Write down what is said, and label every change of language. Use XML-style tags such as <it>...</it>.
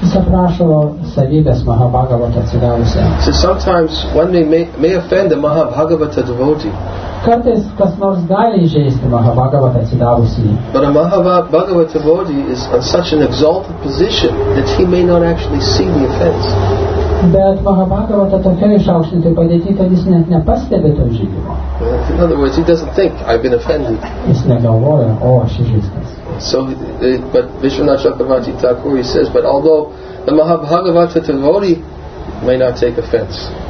<en>So sometimes one may offend a Mahabhagavata devotee.</en> <lt>Kartais kas nors gali įžeisti Mahabhagavata atsidavusį.</lt> <en>But a Mahabhagavata devotee is on such an exalted position that he may not actually see the offense.</en> <lt>Bet Mahabhagavata tokia išaukštinta padėti, kad jis net nepastebi to įžeidimo.</lt> <en>In other words, he doesn't think I've been offended.</en> <lt>Jis negalvoja, o aš įžeistas.</lt> <en>So, but Vishwanath Chakravarti Thakur, he says, but although the Mahabhagavata devotee may not take offense.</en>